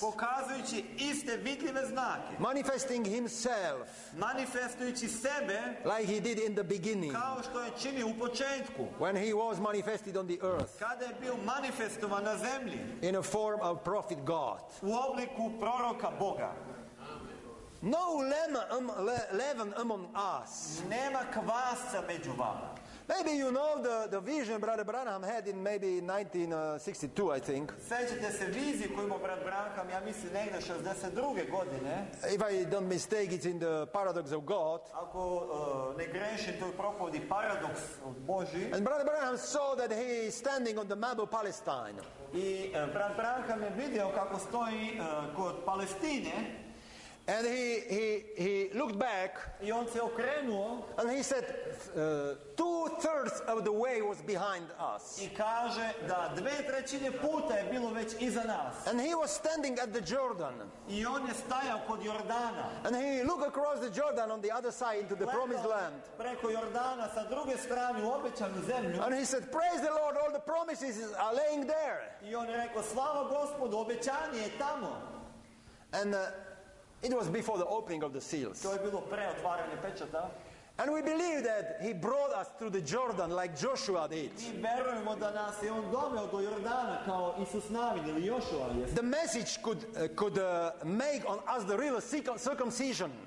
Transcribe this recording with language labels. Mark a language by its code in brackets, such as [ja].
[sr] Pokazujući iste vidljive znake. [en] Manifesting himself. [sr] Manifestujući sebe. [en] Like he did in the beginning. [sr] Kao što je činio u početku. [en] When he was manifested on the earth. [sr] Kada je bio manifestovan na zemlji. [en] In a form of prophet God. [sr] U obliku proroka Boga. [en] No lema leaven among us. [sr] Nema kvasa među vama. [en] Maybe you know the vision Brother Branham had in maybe 1962, I think. [sr] Sećate se vizije koju imao Brat Branham, ja mislim negde 62. godine. [en] If I don't mistake, it's in the Paradox of God. [sr] Ako ne grešim, to je propovedi paradoks Boži. [en] And Brother Branham saw that he is standing on the map of Palestine. [sr] I Brat Branham je video kako stoji kod Palestine. [en] And he looked back. [sr] I on se okrenuo, [en] and he said, two-thirds of the way was behind us. [sr] I kaže da dve trećine puta je bilo već iza nas. [en] And he was standing at the Jordan. [sr] I on je stajao kod Jordana. [en] And he looked across the Jordan on the other side into the promised land. [sr] Preko Jordana sa druge strane u obećanu zemlju. [en] And he said, praise the Lord, all the promises are laying there. [sr] I on je rekao, slava Gospodu, obećanje je tamo. [en] And it was before the opening of the seals. [sr] To je bilo pre otvaranje pečata. [en] And we believe that he brought us through the Jordan like Joshua did. [sr] Mi verujemo da nas je on doveo do Jordana kao Isus Navin ili Joshua. [en] The message could make on us the real circumcision.